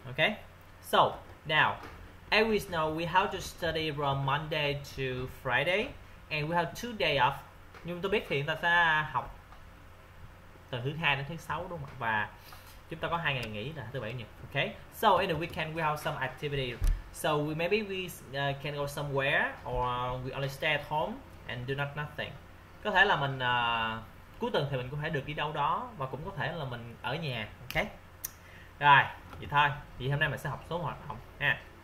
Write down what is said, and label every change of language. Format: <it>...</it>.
<en>Ok, so now as we know, we have to study from Monday to Friday and we have 2 days off.</en> <vi>Nhưng tôi biết thì chúng ta sẽ học từ thứ hai đến thứ sáu, đúng không? Và chúng ta có 2 ngày nghỉ là thứ bảy chủ nhật.</vi> <en>Ok, so in the weekend we have some activity, so we maybe we can go somewhere or we only stay at home and do not nothing.</en> <vi>Có thể là mình cuối tuần thì mình cũng phải được đi đâu đó, và cũng có thể là mình ở nhà. Ok, rồi vậy thôi, vậy hôm nay mình sẽ học số hoạt động ha.</vi>